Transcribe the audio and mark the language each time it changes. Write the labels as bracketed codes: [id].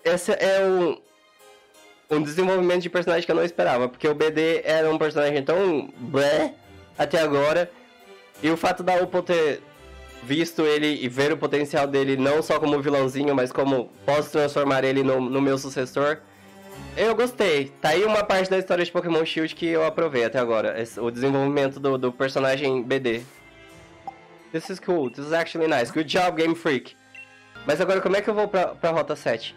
[pt] Esse é um desenvolvimento de personagem que eu não esperava, porque o BD era um personagem tão blé até agora, e o fato da Opal ter visto ele e ver o potencial dele não só como vilãozinho, mas como posso transformar ele no meu sucessor, eu gostei. Tá aí uma parte da história de Pokémon Shield que eu aprovei até agora, o desenvolvimento do personagem BD. [en] This is cool, this is actually nice, good job Game Freak. [pt] Mas agora como é que eu vou pra Rota 7?